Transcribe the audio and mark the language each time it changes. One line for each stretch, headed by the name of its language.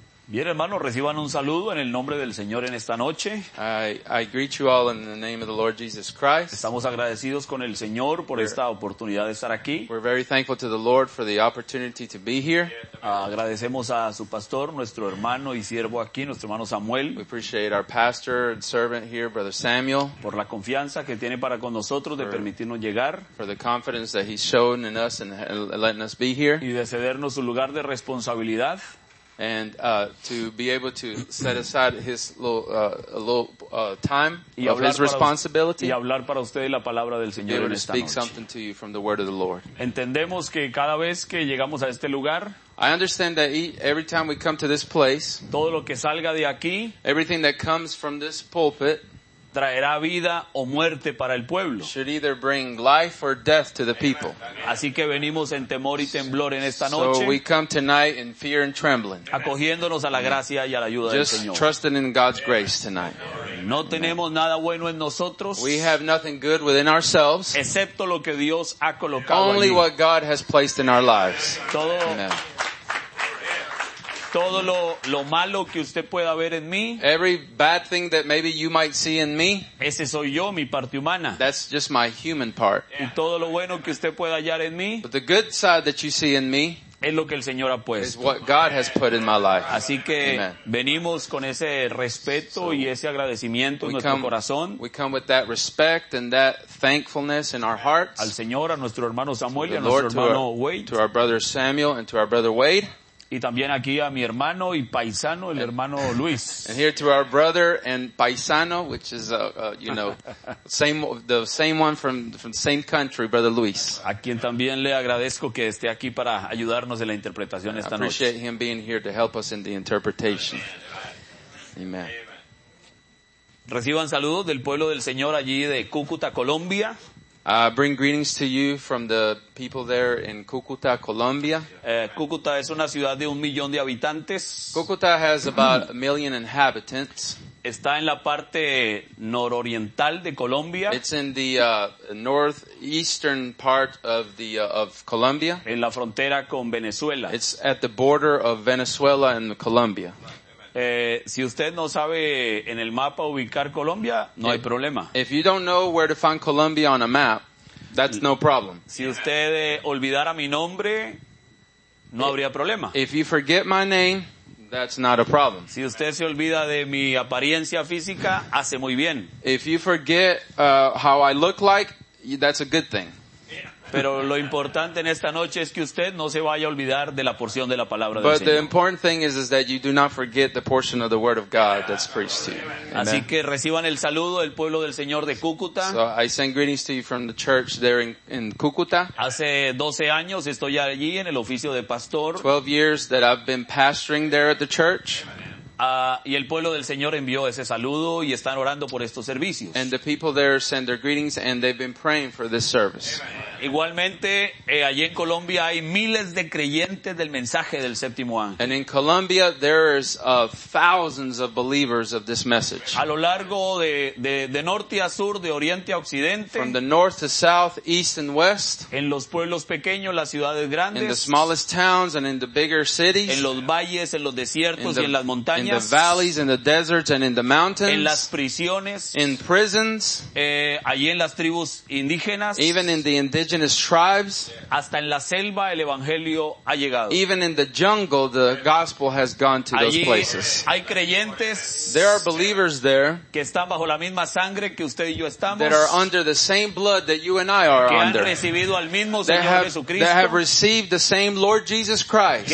Spanish: Bien, hermanos, reciban un saludo en el nombre del Señor en esta noche.
English: I greet you all in the name of the Lord Jesus Christ.
Spanish: Estamos agradecidos con el Señor por esta oportunidad de estar aquí.
English: We're very thankful to the Lord for the opportunity to be here.
Spanish: Agradecemos a su pastor, nuestro hermano y siervo aquí, nuestro hermano Samuel.
English: We appreciate our pastor and servant here, Brother Samuel.
Spanish: Por la confianza que tiene para con nosotros de permitirnos llegar.
English: For the confidence that he's shown in us and letting us be here.
Spanish: Y de cedernos su lugar de responsabilidad.
English: And to be able to set aside his little time of his responsibility
Spanish: y hablar para usted la palabra del Señor
English: to be able
Spanish: en
English: to speak
Spanish: noche.
English: Something to you from the word of the Lord.
Spanish: Entendemos que cada vez que llegamos a este lugar,
English: I understand that every time we come to this place,
Spanish: todo lo que salga de aquí,
English: everything that comes from this pulpit,
Spanish: traerá vida o muerte para el pueblo.
English: Should either bring life or death to the people.
Spanish: Así que venimos en temor y temblor en esta noche.
English: So we come tonight in fear and trembling.
Spanish: Acogiéndonos a la gracia y a la ayuda
English: just
Spanish: del Señor.
English: Just trusting in God's grace tonight.
Spanish: No tenemos nada bueno en nosotros.
English: We have nothing good within ourselves.
Spanish: Excepto lo que Dios ha colocado
English: only
Spanish: allí.
English: What God has placed in our lives.
Spanish: Todo. Amen. Todo lo malo que usted pueda ver en mí.
English: Every bad thing that maybe you might see in me.
Spanish: Ese soy yo, mi parte humana.
English: That's just my human part.
Spanish: Y todo lo bueno que usted pueda hallar en mí.
English: But the good side that you see in me.
Spanish: Es lo que el Señor ha puesto.
English: Is what God has put in my life.
Spanish: Así que venimos con ese respeto y ese agradecimiento en nuestro corazón.
English: We come with that respect and that thankfulness in our hearts.
Spanish: Al Señor, a nuestro hermano Samuel y a nuestro hermano Wade.
English: To our brother Samuel and to our brother Wade.
Spanish: Y también aquí a mi hermano y paisano, el hermano Luis.
English: And here to our brother and paisano, which is you know, the same one from the same country, brother Luis.
Spanish: A quien también le agradezco que esté aquí para ayudarnos en la interpretación esta noche.
English: I appreciate him being here to help us in the interpretation. Amen.
Spanish: Reciban saludos del pueblo del Señor allí de Cúcuta, Colombia.
English: Bring greetings to you from the people there in Cúcuta, Colombia.
Spanish: Cúcuta es una ciudad de 1,000,000 de habitantes.
English: Cúcuta has about 1,000,000 inhabitants.
Spanish: Está en la parte nororiental de Colombia.
English: It's in the northeastern part of the of Colombia.
Spanish: En la frontera con Venezuela.
English: It's at the border of Venezuela and Colombia.
Spanish: Si usted no sabe en el mapa ubicar Colombia, no hay problema.
English: If you don't know where to find Colombia on a map, that's no problem.
Spanish: Si usted olvidara mi nombre, no habría problema.
English: If you forget my name, that's not a problem.
Spanish: Si usted se olvida de mi apariencia física, hace muy bien.
English: If you forget how I look like, that's a good thing.
Spanish: Pero lo importante en esta noche es que usted no se vaya a olvidar de la porción de la palabra del Señor.
English: The important thing is that you do not forget the portion of the word of God that's preached to you.
Spanish: Así que reciban el saludo del pueblo del Señor de Cúcuta.
English: So I send greetings to you from the church there in Cúcuta.
Spanish: Hace 12 años estoy allí en el oficio de pastor.
English: 12 years that I've been pastoring there at the church.
Spanish: Y el pueblo del Señor envió ese saludo y están orando por estos servicios.
English: And the people there send their greetings and they've been praying for this service.
Spanish: Igualmente, allí en Colombia hay miles de creyentes del mensaje del séptimo ángel.
English: And in Colombia there is thousands of believers of this message.
Spanish: A lo largo de norte a sur, de oriente a occidente.
English: From the north to south, east and west.
Spanish: En los pueblos pequeños, las ciudades grandes.
English: In the smallest towns and in the bigger cities.
Spanish: En los valles, en los desiertos y en las montañas.
English: In the valleys, in the deserts, and in the mountains.
Spanish: En las prisiones.
English: In prisons.
Spanish: Allí en las tribus indígenas.
English: Even in the indigenous tribes.
Spanish: Hasta en la selva, el evangelio ha llegado.
English: Even in the jungle, the gospel has gone to
Spanish: allí
English: those places.
Spanish: Hay creyentes.
English: There are believers there.
Spanish: Que están bajo la misma sangre que usted y yo estamos.
English: That are under the same blood that you and I are
Spanish: que
English: under.
Spanish: Que han recibido al mismo Señor Jesucristo.
English: That have received the same Lord Jesus Christ.